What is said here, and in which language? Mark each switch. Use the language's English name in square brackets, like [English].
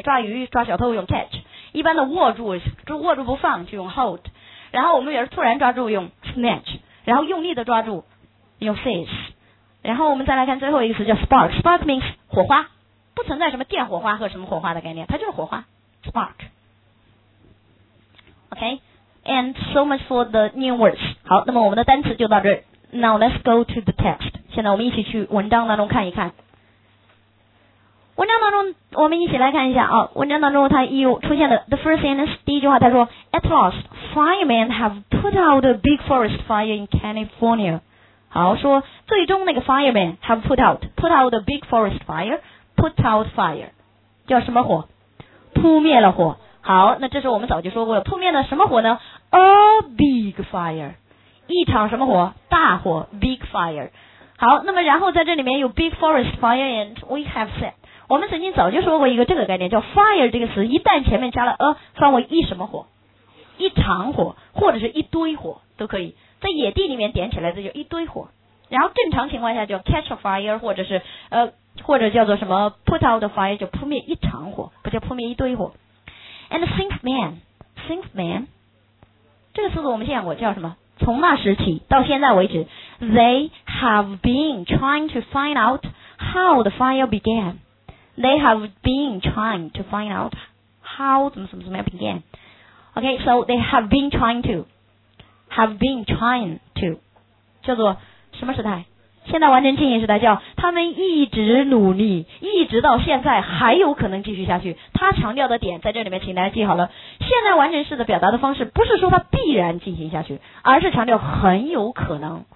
[Chinese] 抓鱼抓小偷用 catch， 一般的握住，就握住不放就用 hold， 然后我们也是突然抓住用 snatch， 然后用力的抓住用 seize， 然后我们再来看最后一个词叫 spark， [English] spark means [Chinese] 火花，不存在什么电火花和什么火花的概念，它就是火花 spark。 [English] OK， and so much for the new words。 [Chinese] 好，那么我们的单词就到这儿。 [English] Now let's go to the text。 [Chinese] 现在我们一起去文章当中看一看，文章当中我们一起来看一下啊。文章当中它又出现了 [English] the first sentence， [Chinese] 第一句话它说 [English] At last firemen have put out a big forest fire in California。 [Chinese] 好，说最终那个 [English] firemen have put out a big forest fire， [Chinese] put out fire 叫什么火，扑灭了火。好，那这是我们早就说过了，扑灭了什么火呢？ A big fire，一场什么火，大火 big fire。好，那么然后在这里面有 big forest fire， [English] and we have said， [Chinese] 我们曾经早就说过一个这个概念叫 fire， 这个词一旦前面加了 a， 分为一什么火，一场火，或者是一堆火都可以，在野地里面点起来的就一堆火，然后正常情况下叫 [English] catch a fire， [Chinese] 或者是或者叫做什么 [English] put out a fire， [Chinese] 就扑灭一场火，不叫扑灭一堆火。 [English] and since man [Chinese] 这个词我们见过，叫什么，从那时起到现在为止， [English] They have been trying to find out how the fire began. They have been trying to find out how [Chinese] 怎么怎么怎么样 [English] began. OK, so they have been trying to. Have been trying to. [Chinese] 叫做什么时代？现在完成进行时代，叫他们一直努力，一直到现在还有可能继续下去。他强调的点在这里面请大家记好了，现在完成式的表达的方式不是说他必然进行下去，而是强调很有可能。